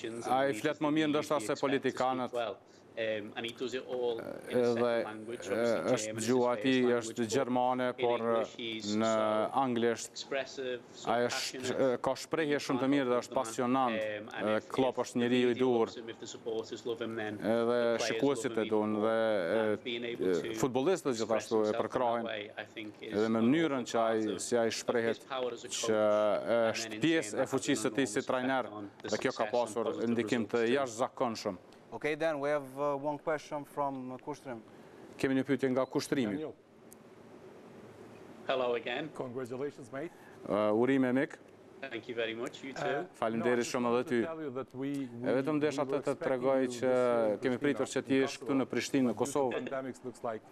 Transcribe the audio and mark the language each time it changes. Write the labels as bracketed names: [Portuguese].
[Albanian] Ai flet më mirë ndoshta se politikanët. [English] And he does it all in a second language. [Albanian] Është gjuha e tij është gjermane, por në anglisht ai ka shprehje shumë të mirë dhe është pasionant. Klopp është njeriu i duhur. Edhe shikuesit e duan dhe futbollistët gjithashtu e përkrahin. Edhe në mënyrën që ai si ai shprehet që është pjesë e fuqisë së tij si trajner. Dhe kjo ka pasur ndikim të jashtëzakonshëm. [English] Okay, then we have one question from Kushtrim. [Albanian] Kemi një pyetje nga Kushtrimi. [English] Hello again. Congratulations, mate. [Albanian] Urime, mik. [English] Thank you very much, you too. [Albanian] Faleminderit shumë edhe ty. E vetëm desha të të tregoj që kemi pritur që ti jesh këtu në Prishtinë, në Kosovë.